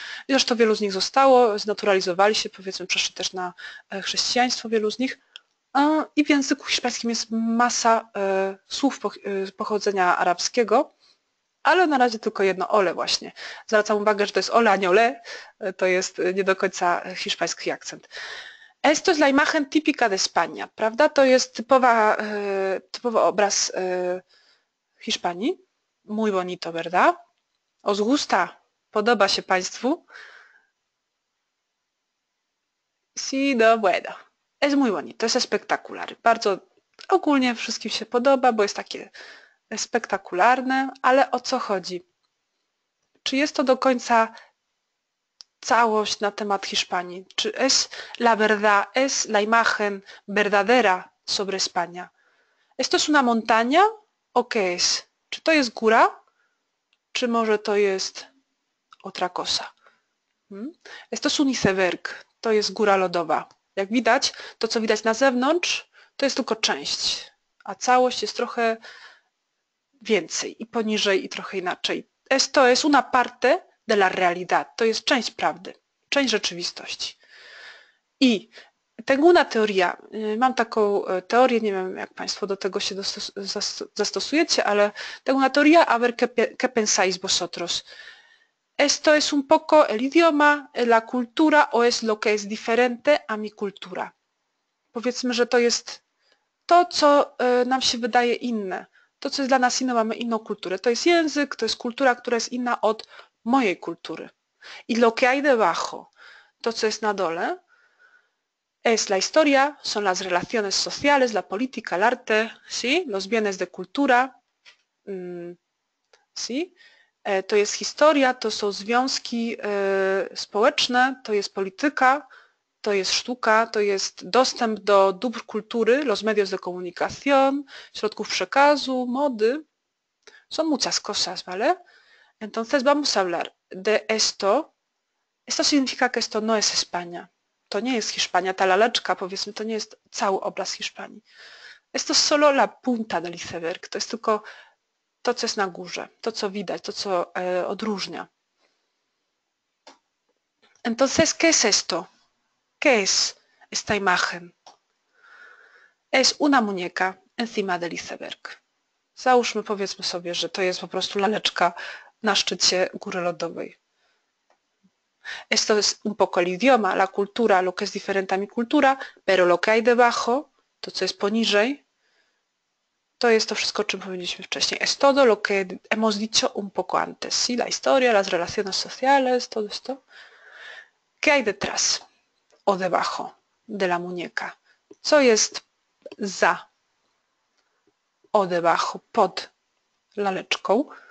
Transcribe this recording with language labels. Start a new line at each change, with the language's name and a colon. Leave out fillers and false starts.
Polish: Zresztą wielu z nich zostało, znaturalizowali się, powiedzmy, przeszli też na chrześcijaństwo wielu z nich. I w języku hiszpańskim jest masa słów pochodzenia arabskiego, ale na razie tylko jedno ole właśnie. Zwracam uwagę, że to jest ole, a nie ole. To jest nie do końca hiszpański akcent.
Spanish: Esto es la imagen típica de España,
Polish: prawda? To jest typowy obraz Hiszpanii.
Spanish: Muy bonito, ¿verdad? Os gusta?
Polish: Podoba się Państwu?
Spanish: Sí, no bueno. Es muy bonito, es espectacular.
Polish: Bardzo ogólnie wszystkim się podoba, bo jest takie spektakularne, ale o co chodzi? Czy jest to do końca całość na temat Hiszpanii? Czy
Spanish: es la verdad, es la imagen verdadera sobre España? Esto es una montaña? ¿O qué es?
Polish: Czy to jest góra? Czy może to jest
Spanish: otra cosa? Esto es un iceberg.
Polish: To jest góra lodowa. Jak widać, to co widać na zewnątrz, to jest tylko część. A całość jest trochę więcej i poniżej i trochę inaczej.
Spanish: Esto es una parte de la realidad.
Polish: To jest część prawdy. Część rzeczywistości. I tego
Spanish: una teoria.
Polish: Mam taką teorię, nie wiem, jak Państwo do tego się zastosujecie, ale tego
Spanish: una teoria, a ver qué pensáis vosotros. Esto es un poco el idioma, la cultura o es lo que es diferente a mi cultura.
Polish: Powiedzmy, że to jest to, co nam się wydaje inne. To, co jest dla nas inne, mamy inną kulturę. To jest język, to jest kultura, która jest inna od mojej kultury.
Spanish: I lo que hay debajo,
Polish: to co jest na dole,
Spanish: es la historia, son las relaciones sociales, la política, el arte, ¿sí? Los bienes de cultura, ¿sí?
Polish: To jest historia, to są związki społeczne, to jest polityka, to jest sztuka, to jest dostęp do dóbr kultury,
Spanish: los medios de comunicación,
Polish: środków przekazu, mody.
Spanish: Son muchas cosas, ¿vale? Entonces vamos a hablar de esto. Esto significa que esto no es España.
Polish: To nie jest Hiszpania, ta laleczka, powiedzmy, to nie jest cały obraz Hiszpanii.
Spanish: Esto es solo la punta del iceberg.
Polish: To jest tylko to, co jest na górze, to, co widać, to, co odróżnia.
Spanish: Entonces, ¿qué es esto? ¿Qué es esta imagen? Es una muñeca encima del iceberg.
Polish: Załóżmy, powiedzmy sobie, że to jest po prostu laleczka na szczycie góry lodowej.
Spanish: Esto es un poco el idioma, la cultura, lo que es diferente a mi cultura, pero lo que hay debajo,
Polish: to co jest poniżej, to jest to wszystko, o czym powiedzieliśmy wcześniej.
Spanish: Es todo lo que hemos dicho un poco antes. Sí, la historia, las relaciones sociales, todo esto. ¿Qué hay detrás o debajo de la muñeca?
Polish: Co jest za
Spanish: o debajo,
Polish: pod laleczką?